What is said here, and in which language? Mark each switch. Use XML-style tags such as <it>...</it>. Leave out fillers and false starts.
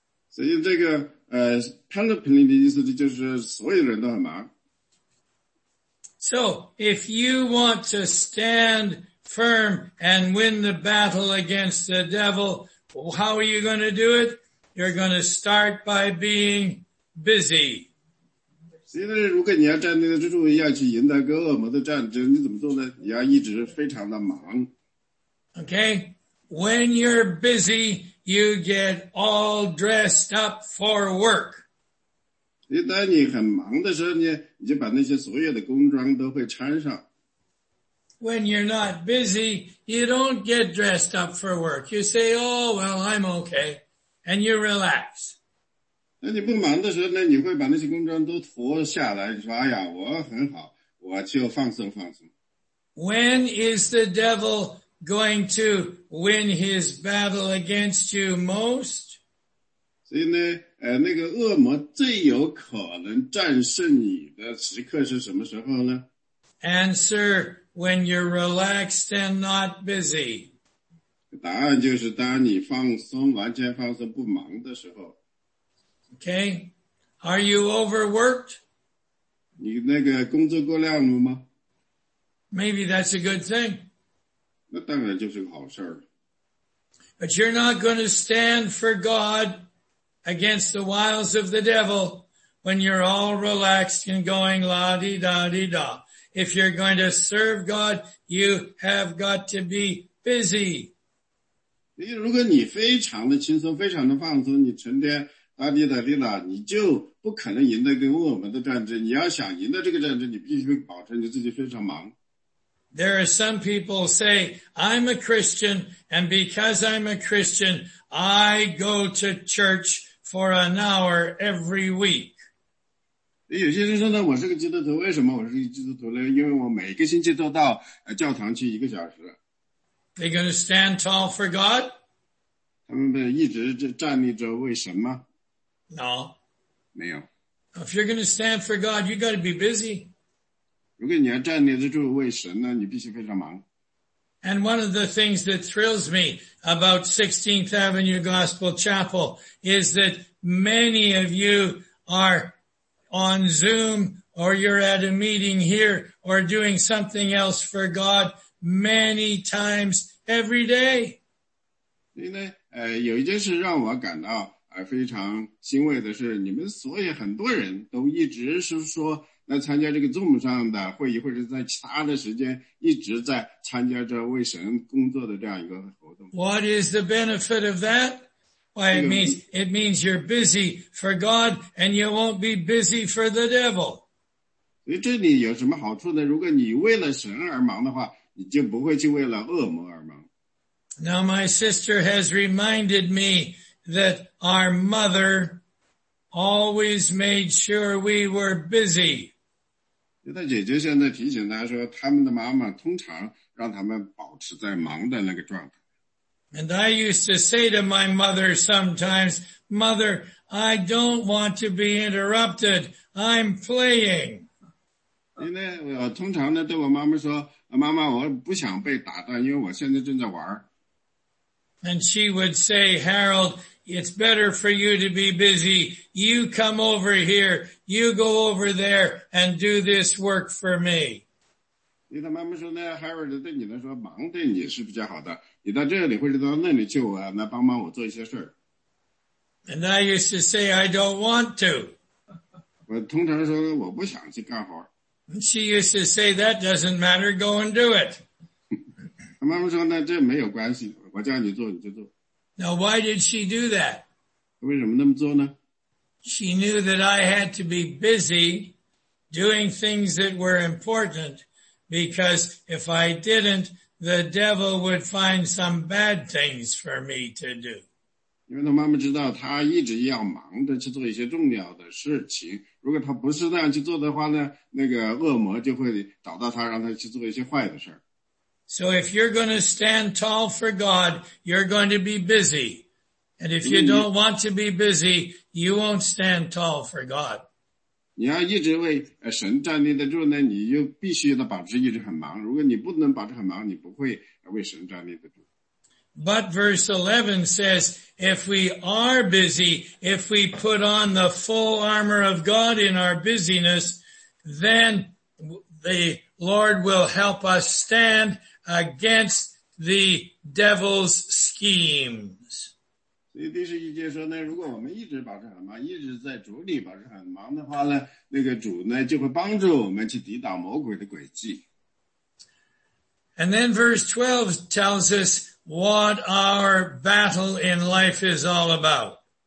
<zh>所以这个panoply 的意思就是所有人都很忙。</zh> <en>So, if you want to stand firm and win the battle against the devil, how are you going to do it? You're going to start by being busy.</en> <zh>因为如果你要站立得住，要去赢得跟恶魔的战争，你怎么做呢？你要一直非常的忙。</zh> <en>Okay, when you're busy, you get all dressed up for work.</en> <zh>因为当你很忙的时候呢，你就把那些所有的工装都会穿上。</zh> <en>When you're not busy, you don't get dressed up for work. You say, oh, well, I'm okay. And you relax.</en> <zh>那你不忙的时候呢，你会把那些工装都脱下来，你说哎呀我很好，我就放松放松。</zh> <en>When is the devil going to win his battle against you most?</en> <zh>所以呢那个恶魔最有可能战胜你的时刻是什么时候呢？</zh> <en>Answer, when you're relaxed and not busy.</en> <zh>答案就是当你放松，完全放松，不忙的时候。</zh> <en>Okay. Are you overworked?</en> <zh>你那个工作过量了吗？</zh> <en>Maybe that's a good thing.</en> <zh>那当然就是个好事儿。</zh> <en>But you're not going to stand for God against the wiles of the devil when you're all relaxed and going la-di-da-di-da. If you're going to serve God, you have got to be busy.</en> <zh>如果你非常的轻松，非常的放松，你成天阿弟的弟了，你就不可能赢得跟我们的战争。你要想赢得这个战争，你必须保证你自己非常忙。</zh> <en>There are some people say, I'm a Christian, and because I'm a Christian, I go to church for an hour every week.</en> <zh>有些人说呢，我是个基督徒，为什么我是个基督徒呢？因为我每个星期都到教堂去一个小时。</zh> <en>They gonna stand tall for God?</en> <zh>他们不是一直站立着为神吗？</zh> <en>No.</en> <zh>没有。</zh> <en>If you're going to stand for God, you've got to be busy.</en> <zh>如果你要站立得住为神呢，你必须非常忙。</zh> <en>And one of the things that thrills me about 16th Avenue Gospel Chapel is that many of you are on Zoom or you're at a meeting here or doing something else for God many times every day.</en> <zh>所以呢，有一件事让我感到非常欣慰的是，你们所有很多人都一直是说来参加这个 Zoom 上的会议，或者在其他的时间一直在参加着为神工作的这样一个活动。</zh> <en>What is the benefit of that? Why, it means you're busy for God and you won't be busy for the devil.</en> <zh>所以这里有什么好处呢？如果你为了神而忙的话，你就不会去为了恶魔而忙。</zh> <en>Now my sister has reminded me that our mother always made sure we were busy.</en> <zh>她姐姐现在提醒她说，她们的妈妈通常让她们保持在忙的那个状态。</zh> <en>And I used to say to my mother sometimes, Mother, I don't want to be interrupted. I'm playing.</en> <zh>因为我通常呢对我妈妈说，妈妈，我不想被打断，因为我现在正在玩。</zh> <en>And she would say, Harold, it's better for you to be busy. You come over here. You go over there and do this work for me.</en> <zh>你的妈妈说呢， Harold 对你来说忙对你是比较好的。你到这里或者到那里去，我来帮忙我做一些事。</zh> <en>And I used to say, I don't want to.</en> <zh>我通常说我不想去干活。</zh> <en>And she used to say, that doesn't matter. Go and do it.</en> <zh>她妈妈说呢，这没有关系。我叫你做你就做。</zh> <en>Now why did she do that?</en> <zh>为什么那么做呢?</zh> <en>She knew that I had to be busy doing things that were important because if I didn't, the devil would find some bad things for me to do.</en> <zh>因为她妈妈知道她一直要忙着去做一些重要的事情，如果她不是那样去做的话呢，那个恶魔就会找到她，让她去做一些坏的事。</zh> <en>So if you're going to stand tall for God, you're going to be busy. And if you don't want to be busy, you won't stand tall for God.</en> <zh>你要一直为神站立得住呢，你就必须得保持一直很忙。如果你不能保持很忙，你不会为神站立得住。</zh> <en>But verse 11 says, if we are busy, if we put on the full armor of God in our busyness, then the Lord will help us stand against the devil's schemes.</en> <zh>所以第十一节说呢，如果我们一直保持很忙，一直在主里保持很忙的话呢，那个主呢就会帮助我们去抵挡魔鬼的诡计。</zh> <en>And then verse 12 tells us what our battle in life is all about.</en>